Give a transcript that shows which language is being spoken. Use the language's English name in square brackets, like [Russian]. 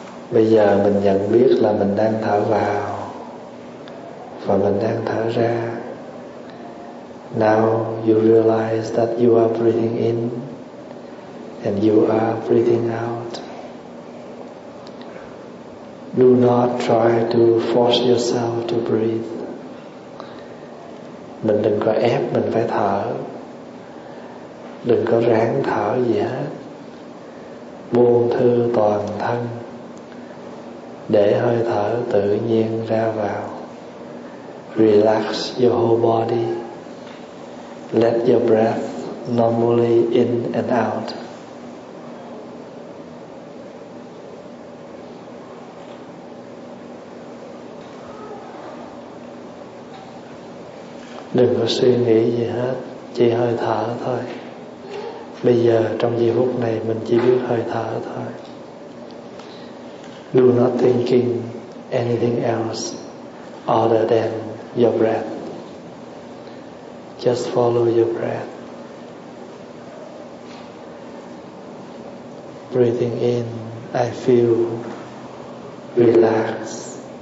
[Vietnamese] Bây giờ mình nhận biết là mình đang thở vào và mình đang thở ra. [English] Now you realize that you are breathing in and you are breathing out. Do not try to force yourself to breathe. [Vietnamese] Mình đừng có ép mình phải thở. Đừng có ráng thở gì hết. Buông thư toàn thân. Để hơi thở tự nhiên ra vào. [English] Relax your whole body. Let your breath normally in and out. [Vietnamese] Đừng có suy nghĩ gì hết, chỉ hơi thở thôi. Bây giờ trong giây phút này mình chỉ biết hơi thở thôi. [English] Do not thinking anything else other than your breath. Just follow your breath. Breathing in, I feel relaxed.